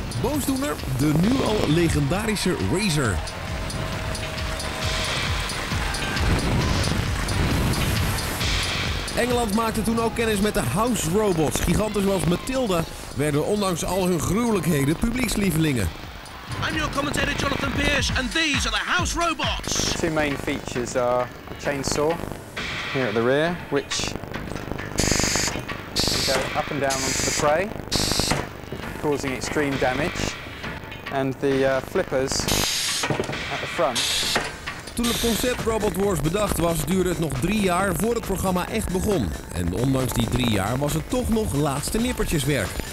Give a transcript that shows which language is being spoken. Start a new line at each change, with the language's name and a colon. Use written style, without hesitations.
Dutch: Boosdoener, de nu al legendarische Razor. Engeland maakte toen ook kennis met de House Robots. Giganten zoals Matilda werden ondanks al hun gruwelijkheden publiekslievelingen.
English: I'm your commentator Jonathan Pierce and these are the House Robots. Two main features are the chainsaw here at the rear, which go up and down onto the prey, causing extreme damage. And the flippers at the front.
Dutch: Toen het concept Robot Wars bedacht was, duurde het nog 3 jaar voor het programma echt begon. En ondanks die 3 jaar was het toch nog laatste nippertjeswerk.